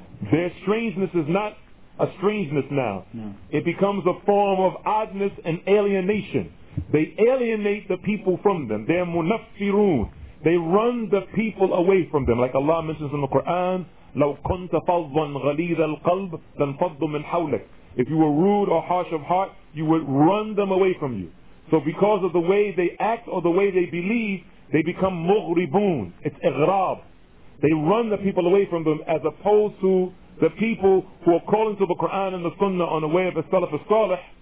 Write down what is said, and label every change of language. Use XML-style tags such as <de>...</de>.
<en>Their strangeness is not a strangeness now. No. It becomes a form of oddness and alienation. They alienate the people from them. They're munafirun. They run the people away from them. Like Allah mentions in the Quran,</en> <ar>لَوْ كُنْتَ فَضًّا غَلِيظَ الْقَلْبِ لَنْفَضُّ مِنْ حَوْلِكَ.</ar> <en>If you were rude or harsh of heart, you would run them away from you. So because of the way they act or the way they believe, they become مُغْرِبُونَ. It's إِغْرَاب. They run the people away from them, as opposed to the people who are calling to the Quran and the Sunnah on the way of the Salaf al-Salih.</en>